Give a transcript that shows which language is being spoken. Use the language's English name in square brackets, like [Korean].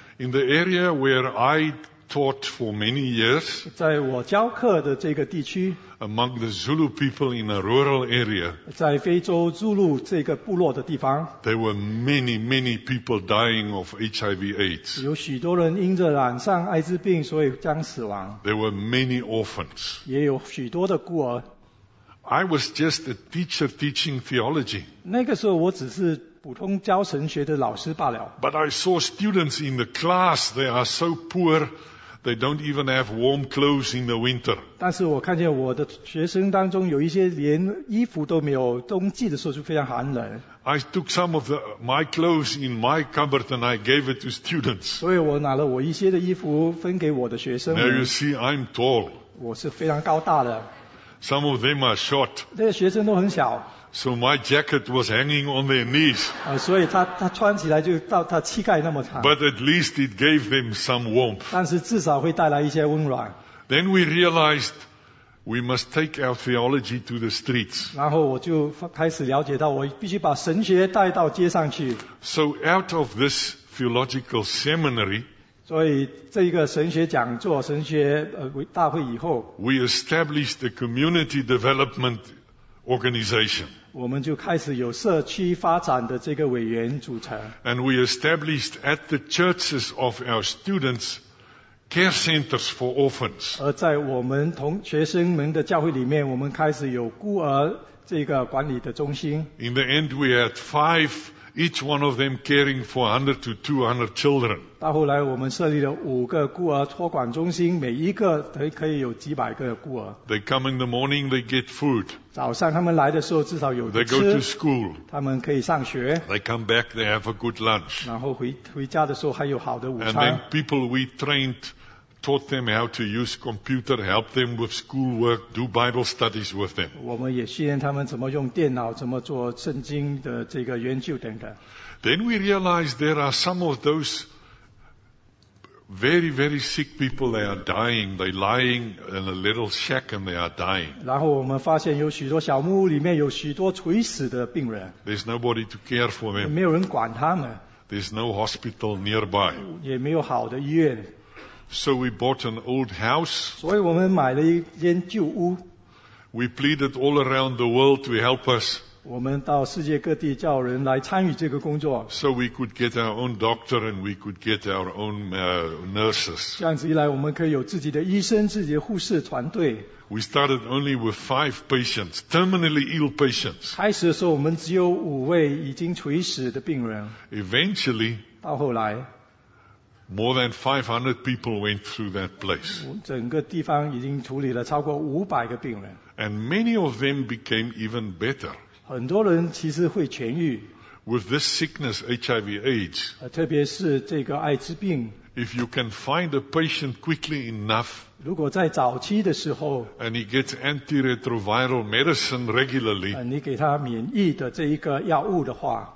[English] In the area where I taught for many years, [Chinese] 在我教课的这个地区， [English] Among the Zulu people in a rural area, [Chinese] 在非洲朱鲁这个部落的地方， [English] There were many, many people dying of HIV/AIDS. [Chinese] 有许多人因着染上艾滋病所以将死亡。 [English] There were many orphans. [Chinese] 也有许多的孤儿。 [English] I was just a teacher teaching theology. [Chinese] 那个时候我只是普通教神学的老师罢了。 [English] But I saw students in the class, they are so poor, they don't even have warm clothes in the winter. [Chinese] 但是我看见我的学生当中有一些连衣服都没有，冬季的时候就非常寒冷。 [English] I took some of my clothes in my cupboard and I gave it to students. [Chinese] 所以我拿了我一些的衣服分给我的学生。 [English] Now you see, I'm tall. [Chinese] 我是非常高大的。 [English] Some of them are short. [Chinese] 这些学生都很小。 [English] So my jacket was hanging on their knees. [Chinese] 所以他穿起来就到他膝盖那么长。 [English] But at least it gave them some warmth. [Chinese] 但是至少会带来一些温暖。 [English] Then we realized we must take our theology to the streets. [Chinese] 然后我就开始了解到我必须把神学带到街上去。 [English] So out of this theological seminary, [Chinese] 所以这一个神学讲座神学大会以后 [English] We established a community development organization. [Chinese] 我们就开始有社区发展的这个委员组成。 [English] And we established at the churches of our students care centers for orphans. [Chinese] 而在我们同学生们的教会里面我们开始有孤儿这个管理的中心。 [English] In the end we had five each one of them caring for 100 to 200 children. [Chinese] 到后来我们设立了五个孤儿托管中心每一个可以有几百个孤儿。 [English] They come in the morning, they get food. [Chinese] 早上他们来的时候至少有吃。 [English] They go to school. [Chinese] 他们可以上学。 [English] They come back, they have a good lunch. [Chinese] 然后回家的时候还有好的午餐。 [English] And then people we trained taught them how to use computer, helped them with schoolwork, do Bible studies with them. [Chinese] 我们也训练他们怎么用电脑，怎么做圣经的这个研究等等。 [English] Then we realized there are some of those very, very sick people, they are dying. They lying in a little shack and they are dying. [Chinese] 然后我们发现有许多小木屋里面有许多垂死的病人。 [English] There's nobody to care for them. [Chinese] 没有人管他们。 [English] There's no hospital nearby. [Chinese] 也没有好的医院。 [English] So we bought an old house. [Chinese] 所以我们买了一间旧屋。 [English] We pleaded all around the world to help us. [Chinese] 我们到世界各地叫人来参与这个工作。 [English] So we could get our own doctor and we could get our own nurses. [Chinese] 这样子一来我们可以有自己的医生自己的护士团队。 [English] We started only with five patients, terminally ill patients. [Chinese] 开始的时候我们只有五位已经垂死的病人。 [English] Eventually, [Chinese] 到后来 [English] More than 500 people went through that place. [Chinese] 整个地方已经处理了超过500个病人。 [English] And many of them became even better. [Chinese] 很多人其实会痊愈。 [English] With this sickness, HIV/AIDS. [Chinese] 特别是这个艾滋病。 [English] If you can find a patient quickly enough. [Chinese] 如果在早期的时候。 [English] And he gets antiretroviral medicine regularly. [Chinese] 你给他免疫的这一个药物的话。